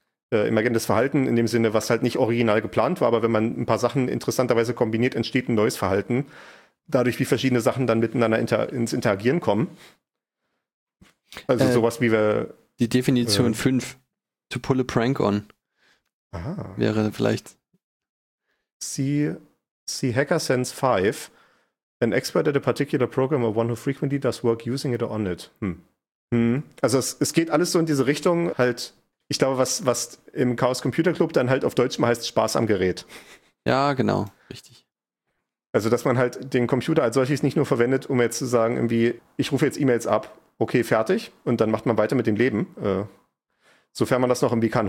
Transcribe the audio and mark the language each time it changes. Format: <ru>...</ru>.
<de>Emergentes Verhalten in dem Sinne, was halt nicht original geplant war, aber wenn man ein paar Sachen interessanterweise kombiniert, entsteht ein neues Verhalten. Dadurch, wie verschiedene Sachen dann miteinander ins Interagieren kommen. Also sowas wie wir... Die Definition 5,</de> <en>to pull a prank on,</en> <de>wäre vielleicht...</de> <en>See HackerSense 5, an expert at a particular program or one who frequently does work using it or on it.</en> <de>Also es geht alles so in diese Richtung, halt, ich glaube, was im Chaos Computer Club dann halt auf Deutsch mal heißt, Spaß am Gerät. Ja, genau, richtig. Also, dass man halt den Computer als solches nicht nur verwendet, um jetzt zu sagen, irgendwie, ich rufe jetzt E-Mails ab, okay, fertig, und dann macht man weiter mit dem Leben. Sofern man das noch irgendwie kann.</de>